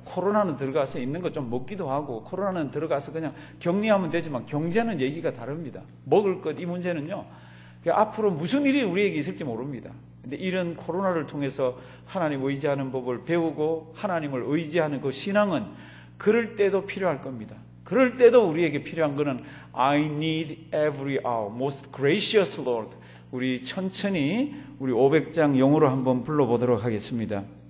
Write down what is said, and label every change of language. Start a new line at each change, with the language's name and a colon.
Korean: 코로나는 들어가서 있는 거 좀 먹기도 하고 코로나는 들어가서 그냥 격리하면 되지만 경제는 얘기가 다릅니다. 먹을 것 이 문제는요. 앞으로 무슨 일이 우리에게 있을지 모릅니다. 근데 이런 코로나를 통해서 하나님 의지하는 법을 배우고 하나님을 의지하는 그 신앙은 그럴 때도 필요할 겁니다. 그럴 때도 우리에게 필요한 것은
English: I need every hour, most gracious Lord.
Korean: 우리 천천히 우리 500장 영어로 한번 불러보도록 하겠습니다.